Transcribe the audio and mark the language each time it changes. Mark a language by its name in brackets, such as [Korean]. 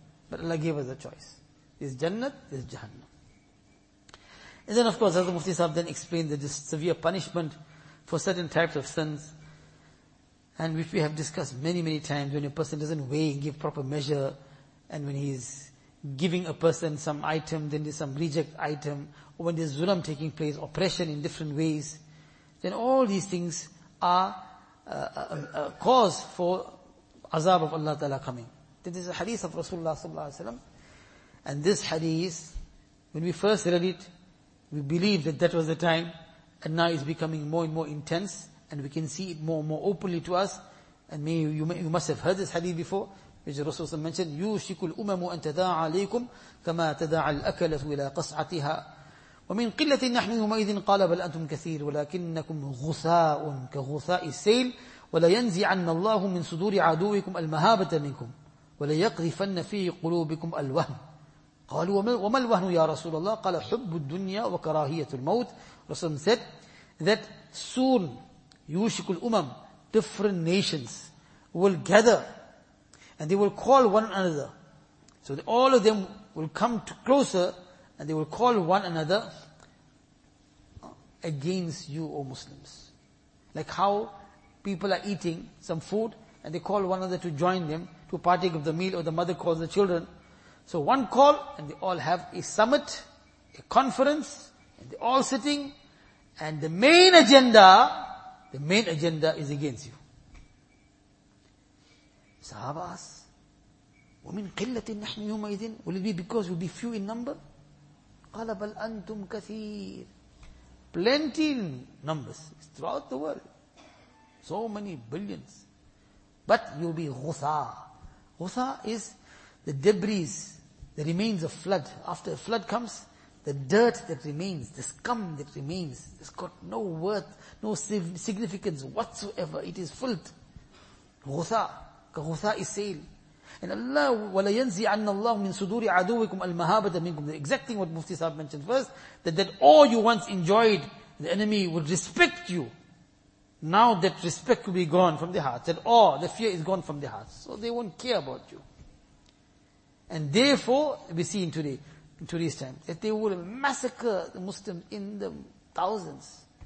[English] But Allah gave us a choice. Is Jannah, is Jahannam. And then of course, Hazrat Mufti Sahib then explained that this severe punishment for certain types of sins, and which we have discussed many, many times, when a person doesn't weigh and give proper measure, and when he's giving a person some item, then there's some reject item, or when there's zulam taking place, oppression in different ways, then all these things are a cause for azab of Allah Ta'ala coming. This is a hadith of Rasulullah Sallallahu Alaihi Wasallam. And this hadith, when we first read it, we believed that that was the time, and now it's becoming more and more intense, and we can see it more and more openly to us. And may you must have heard this hadith before, which Rasulullah mentioned, [Arabic] يُوشِكُ الْأُمَمُ أَن تَدَاعَ عَلَيْكُمْ كَمَا تَدَاعَ الْأَكَلَةُ إِلَىٰ قَصْعَتِهَا وَمِنْ قِلَّةٍ نَحْنُ يُمَئِذٍ قَالَ بَلْ أَنْتُمْ كَثِيرٌ وَلَكِنَّكُمْ غُثَاءٌ كَغُثَاءِ السَّيْلِ وَلَا يَنْزِعَنَّ اللَّهُ مِنْ صُدُورِ عَدُوِّكُمْ الْمَهَابَةَ مِنْكُمْ وَلَا يَقْذِفَنَّ فِي قُلُوبِكُمْ الْوَهْنَ. قَالُوا وَمَا الْوَهْنُ يَا رَسُولَ اللَّهِ قَالَ حُبُّ الدُّنْيَا وَكَرَاهِيَةُ الْمَوْتِ. [English] Rasul said that soon [Arabic] يُوشِكُ الْأُمَمُ, [English] different nations will gather and they will call one another. So all of them will come to closer, and they will call one another against you, O Muslims. Like how people are eating some food and they call one another to join them to partake of the meal, or the mother calls the children. So one call and they all have a summit, a conference, and they're all sitting, and the main agenda is against you. Sahaba asks, [Arabic] وَمِنْ قِلَّةٍ نَحْنُ يُمَيْذٍ. [English] Will it be because we'll be few in number? [Arabic] قَالَ بَلْ أَنْتُمْ كَثِيرٌ. [English] Plenty in numbers. It's throughout the world. So many billions. But you'll be غُثَى. غُثَى is the debris the remains of flood. After a flood comes, the dirt that remains, the scum that remains, has got no worth, no significance whatsoever. It is filth. Ghutha. Ghutha is sail. And Allah, [Arabic] وَلَا يَنْزِي عَنَّ اللَّهُ مِن صُدُورِ عَدُوِكُمْ الْمَهَابَةَ مِنْكُمْ. [English] Exacting what Mufti Sahib mentioned first, that all you once enjoyed, the enemy would respect you. Now that respect will be gone from the hearts. That awe, the fear is gone from the hearts. So they won't care about you. And therefore, we see in today's time, that they will massacre the Muslims in the thousands.